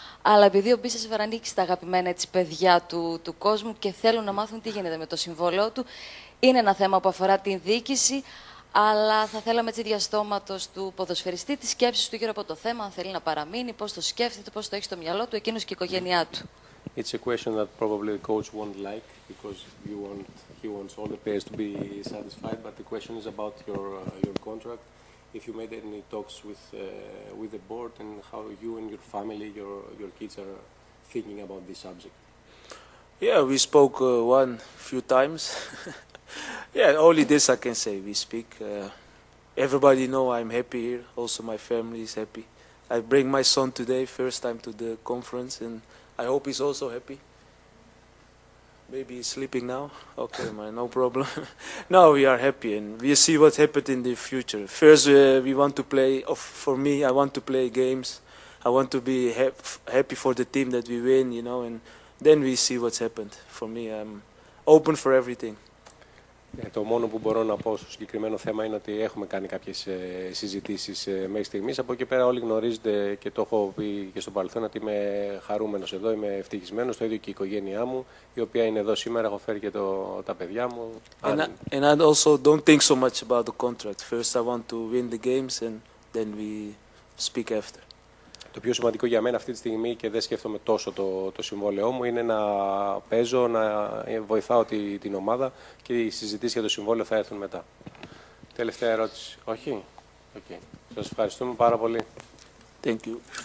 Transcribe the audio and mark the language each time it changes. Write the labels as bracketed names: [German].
[Greek] Αλλά επειδή ο Μπίσας Βερανίκης τα αγαπημένα έτσι, παιδιά του κόσμου και θέλουν να μάθουν τι γίνεται με το συμβόλαιό του, είναι ένα θέμα που αφορά την διοίκηση. Αλλά θα θέλαμε έτσι διαστόματος του ποδοσφαιριστή, τη σκέψη του γύρω από το θέμα, αν θέλει να παραμείνει, πώς το σκέφτεται, πώς το έχει στο μυαλό του, εκείνος και η οικογένειά του. [English] It's a question that probably the coach won't like because he wants all the players to be satisfied. But the question is about your contract. If you made any talks with the board and how you and your family, your kids are thinking about this subject. Yeah, we spoke one few times. Yeah, only this I can say. We speak. Everybody know I'm happy here. Also, my family is happy. I bring my son today, first time to the conference, and I hope he's also happy. Maybe he's sleeping now. Okay, man, no problem. Now we are happy and we see what happened in the future. First, we want to play. For me, I want to play games. I want to be happy for the team that we win, you know. And then we see what's happened. For me, I'm open for everything. [Greek] Το μόνο που μπορώ να πω στο συγκεκριμένο θέμα είναι ότι έχουμε κάνει κάποιες συζητήσεις μέχρι στιγμής. Από εκεί πέρα όλοι γνωρίζετε και το έχω πει και στο παρελθόν ότι είμαι χαρούμενος εδώ, είμαι ευτυχισμένος, το ίδιο και η οικογένειά μου, η οποία είναι εδώ σήμερα, έχω φέρει και τα παιδιά μου. [English] And I also don't think so much about the contract. First I want to win the games and then we speak after. [Greek] Το πιο σημαντικό για μένα αυτή τη στιγμή και δεν σκέφτομαι τόσο το συμβόλαιό μου είναι να παίζω, να βοηθάω την ομάδα και οι συζητήσεις για το συμβόλαιο θα έρθουν μετά. Τελευταία ερώτηση. Όχι. Okay. Σας ευχαριστούμε πάρα πολύ. [English] Thank you.